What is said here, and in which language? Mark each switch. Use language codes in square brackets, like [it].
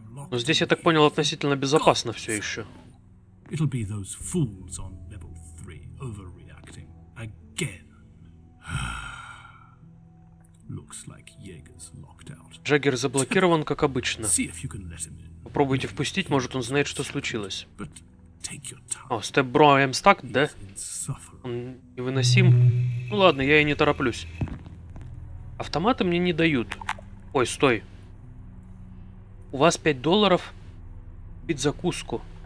[ru] Но здесь, я так понял, относительно безопасно все еще. [en] It'll be those fools on level 3 overreacting again. Looks like Jaeger's locked out. [ru] Джаггер заблокирован, как обычно. Попробуйте впустить, может, он знает, что случилось. О, Степ-бро, [en] I'm stuck, [ru] да? Он невыносим. Ну ладно, я и не тороплюсь. Автоматы мне не дают. Ой, стой. У вас $5 купить закуску.